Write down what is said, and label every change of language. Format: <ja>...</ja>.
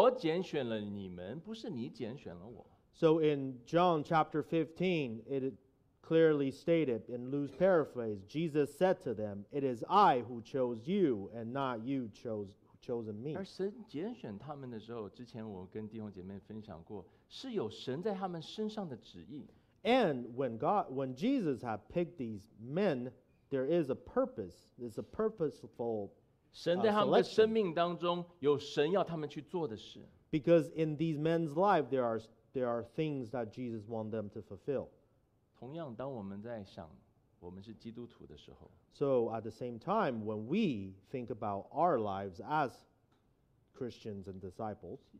<zh>在约翰福音第15章里面，主耶稣基督对他的这些使徒说：“是我拣选了你们，不是你拣选了我。”</zh> <en>In John chapter 15, it clearly stated in loose paraphrase, Jesus said to them, "It is I who chose you, and not you chosen me."</en> <zh>而神拣选他们的时候，之前我跟弟兄姐妹分享过，是有神在他们身上的旨意。</zh> <en>And when Jesus had picked these men, there is a purpose. There's a purposeful selection. Because in these men's lives, there are things that Jesus wants them to fulfill.</en> <zh>同样，当我们在想我们是基督徒的时候，</zh> <en>so at the same time, when we think about our lives as Christians and disciples,</en>